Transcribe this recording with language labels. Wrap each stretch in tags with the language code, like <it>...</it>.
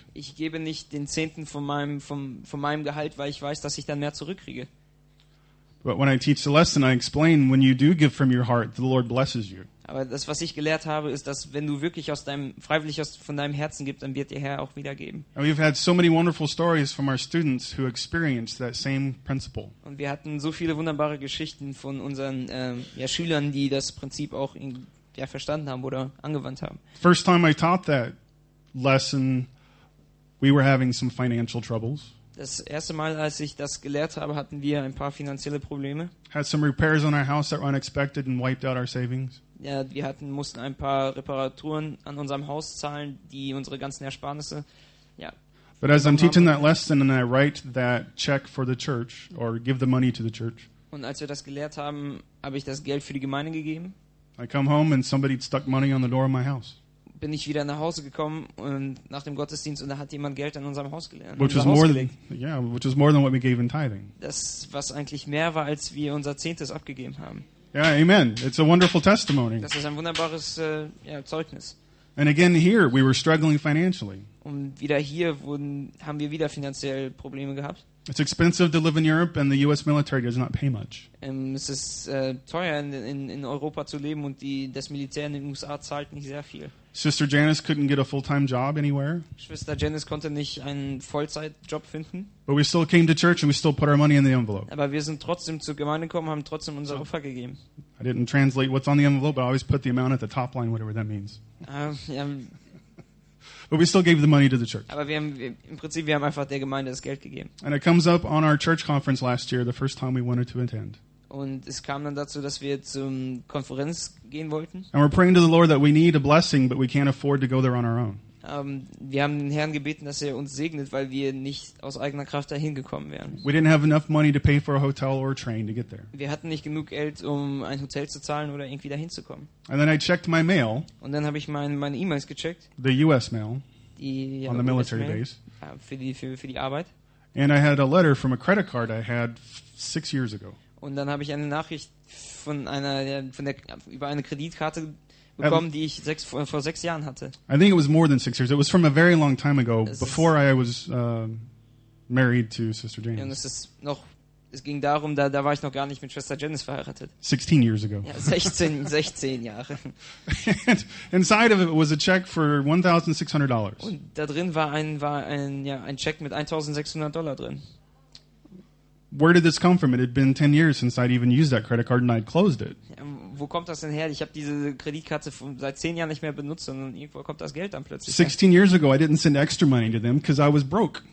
<de>Ich gebe nicht den Zehnten von meinem Gehalt, weil ich weiß, dass ich dann mehr zurückkriege.</de> <en>But when I teach the lesson, I explain when you do give from your heart, the Lord blesses you.</en> <de>Aber das, was ich gelehrt habe, ist, dass wenn du wirklich von deinem Herzen gibst, dann wird dir Herr auch wieder geben.</de> <en>And we've had so many wonderful stories from our students who experienced that same principle.</en> <de>Und wir hatten so viele wunderbare Geschichten von unseren ja, Schülern, die das Prinzip auch in, ja, verstanden haben oder angewandt haben.</de> <en>First time I taught that lesson, we were having some financial troubles.</en> <de>Das erste Mal, als ich das gelehrt habe, hatten wir ein paar finanzielle Probleme.</de> <en>Had some repairs on our house that were unexpected and wiped out our savings.</en> <de>Ja, wir mussten ein paar Reparaturen an unserem Haus zahlen, die unsere ganzen Ersparnisse, ja.</de> <en>But as I'm teaching that lesson and I write that check for the church or give the money to the church.</en> <de>Und als wir das gelehrt haben, habe ich das Geld für die Gemeinde gegeben.</de> <en>I come home and somebody stuck money on the door of my house.</en> <de>Bin ich wieder nach Hause gekommen und nach dem Gottesdienst und da hat jemand Geld an unserem Haus gelegt.</de> <en>Which was more than what we gave in tithing.</en> <de>Das, was eigentlich mehr war, als wir unser Zehntes abgegeben haben.</de> <en>Yeah, amen. It's a wonderful testimony.</en> <de>Das ist ein wunderbares ja, Zeugnis.</de> <en>And again here, we were struggling financially.</en> <de>Und wieder hier haben wir wieder finanziell Probleme gehabt.</de> <en>It's expensive to live in Europe and the US military does not pay much.</en> <de>Es ist teuer in Europa zu leben und das Militär in den USA zahlt nicht sehr viel.</de> <en>Sister Janice couldn't get a full-time job anywhere.</en> <de>Schwester Janice konnte nicht einen Vollzeitjob finden.</de> <en>But we still came to church and we still put our money in the envelope.</en> <de>Aber wir sind trotzdem zur Gemeinde gekommen, haben trotzdem unser Opfer gegeben.</de> <en>I didn't translate what's on the envelope, but I always put the amount at the top line, whatever that means. But we still gave the money to the church.</en> <de>Aber wir haben einfach der Gemeinde das Geld gegeben.</de> <en>And it comes up on our church conference last year, the first time we wanted to attend.</en> <de>Und es kam dann dazu, dass wir zum Konferenz gehen wollten.</de> <en>And we're praying to the Lord that we need a blessing, but we can't afford to go there on our own.</en> <de>Wir haben den Herrn gebeten, dass er uns segnet, weil wir nicht aus eigener Kraft dahin gekommen wären.</de> <en>We didn't have enough money to pay for a hotel or a train to get there.</en> <de>Wir hatten nicht genug Geld, um ein Hotel zu zahlen oder irgendwie dahin zu kommen.</de> <en>And then I checked my mail.</en> <de>Und dann habe ich meine E-Mails gecheckt.</de> <en>The U.S. mail.</en> <de>Die, ja,</de> <en>on the military base.</en> <de>Ja, für die Arbeit.</de> <en>And I had a letter from a credit card I had 6 years ago.</en> <de>Und dann habe ich eine Nachricht über eine Kreditkarte bekommen, die ich vor 6 Jahren hatte.</de> <en>I think it was more than 6 years. It was from a very long time ago, before I was married to Sister Janice.</en> <de>Und es ging darum, da war ich noch gar nicht mit Schwester Janice verheiratet.</de> <en>16 years ago.</en> <de>Ja, 16 Jahre.</de> <en>And inside of it was a check for $1,600.</en> <de>Und da drin war ein Check mit $1,600 drin.</de> <en>Where did this come from? It had been 10 years since I'd even used that credit card and I'd closed it.</en> <de>Wo kommt das denn her? Ich habe diese Kreditkarte seit 10 Jahren nicht mehr benutzt und irgendwo kommt das Geld dann plötzlich.</de> <en>16 years ago I didn't send extra money to them because I was broke.</en>